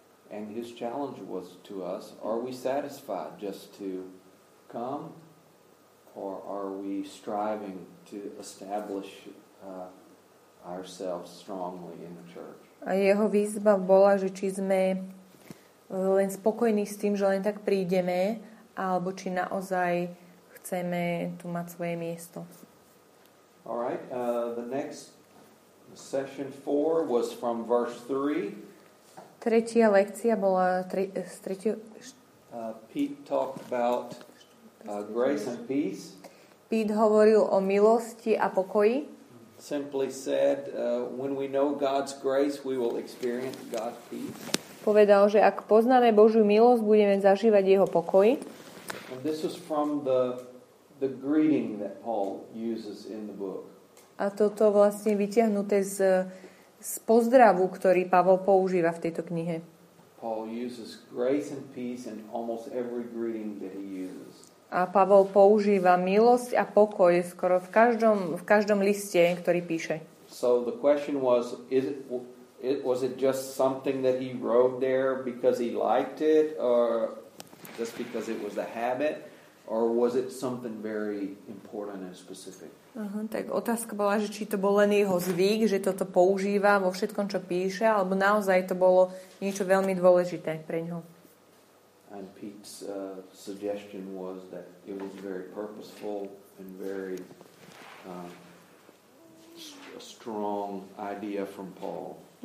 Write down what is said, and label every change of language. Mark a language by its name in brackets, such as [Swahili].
[English] And his challenge was to us, are we satisfied just to come or are we striving to establish ourselves strongly in the church? [Slovak] A jeho výzva bola, že či sme len spokojní s tým, že len tak prídeme, alebo či naozaj chceme tu mať svoje miesto. [English] All right, the next session 4 was from verse 3. [Slovak] Tretia lekcia bola z 3. [English] Pete talked about grace and peace. [Slovak] Pete hovoril o milosti a pokoji. [English] simply said, when we know God's grace, we will experience God's peace. [Slovak] Povedal, že ak poznáme Božiu milosť, budeme zažívať jeho pokoj. [English] And this is from the greeting that Paul uses in the book. [Slovak] A toto vlastne vytiahnuté z pozdravu, ktorý Pavol používa v tejto knihe. [English] Paul uses grace and peace in almost every greeting that he uses. [Slovak] A Pavol používa milosť a pokoj skoro v každom liste, ktorý píše. [English] So the question was, was it just something that he wrote there because he liked it, or just because it was a habit, or was it something very important and specific? [Slovak] Tak otázka bola, že či to bol len jeho zvyk, že toto používa vo všetkom, čo píše, alebo naozaj to bolo niečo veľmi dôležité pre ňoho. [English] And Pete's suggestion was that it was very purposeful and very strong idea from Paul.